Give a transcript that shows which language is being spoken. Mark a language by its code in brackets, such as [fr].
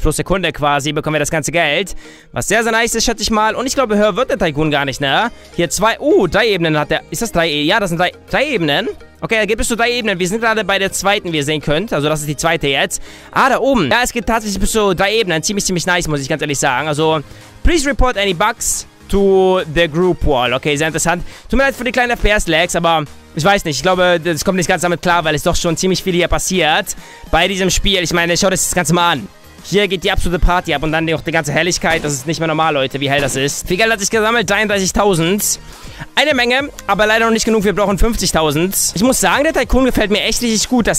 [de] Pro Sekunde quasi bekommen wir das ganze Geld. Was sehr, sehr nice ist, schätze ich mal. Und ich glaube, höher wird der Tycoon gar nicht, ne? Hier zwei... drei Ebenen hat der... Ist das drei... Ja, das sind drei Ebenen. Okay, da geht bis zu drei Ebenen. Wir sind gerade bei der zweiten, wie ihr sehen könnt. Also, das ist die zweite jetzt. Ah, da oben. Ja, es geht tatsächlich bis zu drei Ebenen. Ziemlich, ziemlich nice, muss ich ganz ehrlich sagen. [en] Also, please report any bugs to the group wall. [de] Okay, sehr interessant. Tut mir leid für die kleinen FPS-Lags, aber... Ich weiß nicht, ich glaube, das kommt nicht ganz damit klar, weil es doch schon ziemlich viel hier passiert bei diesem Spiel. Ich meine, schaut euch das Ganze mal an. Hier geht die absolute Party ab und dann auch die ganze Helligkeit. Das ist nicht mehr normal, Leute, wie hell das ist. Wie Geld hat sich gesammelt? 33.000. Eine Menge, aber leider noch nicht genug. Wir brauchen 50.000. Ich muss sagen, der Tycoon gefällt mir echt richtig gut.